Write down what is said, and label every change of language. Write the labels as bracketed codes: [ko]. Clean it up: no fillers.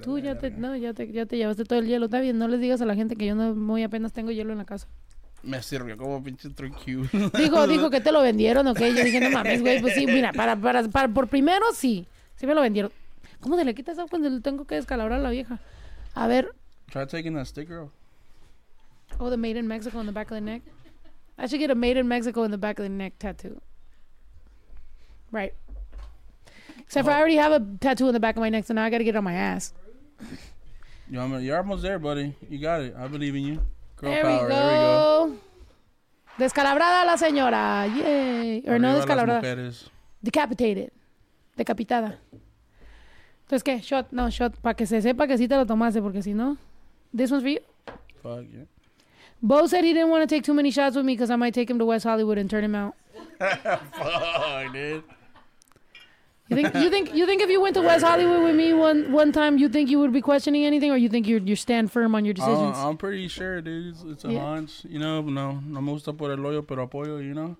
[es] tú ya te, no, ya te llevaste todo el hielo. Está bien. No les digas a la gente que yo no muy apenas tengo hielo en la casa. Me sirvió como pinche [en] drink cube. [es] Dijo que te lo vendieron, ¿ok? Yo dije, no mames, güey. Pues sí, mira, para por primero sí. Sí me lo vendieron. ¿Cómo se le quita eso cuando le tengo que descalabrar a la vieja? A ver. [en] Try taking that sticker off. Oh, the made in Mexico on the back of the neck. I should get a made in Mexico on the back of the neck tattoo. Right. Except for I already have a tattoo on the back of my neck, so now I gotta get it on my ass. You're almost there, buddy. You got it. I believe in you. Girl there power. We go. [es] Descalabrada la señora. [en] Yay. [es] Or no descalabrada. [en] Decapitated. [es] Decapitada. Entonces, ¿qué? [en] Shot. No, shot. [es] Para que se sepa que sí te lo tomaste, porque si no... [en] This one's for you? Fuck, yeah. Bo said he didn't want to take too many shots with me because I might take him to West Hollywood and turn him out. Fuck, dude. You think if you went to West Hollywood with me one time, you think you would be questioning anything, or you think you stand firm on your decisions? I'm pretty sure, dude. It's a hunch. You know, no. [es] No me gusta por el hoyo, pero apoyo, [en] you know?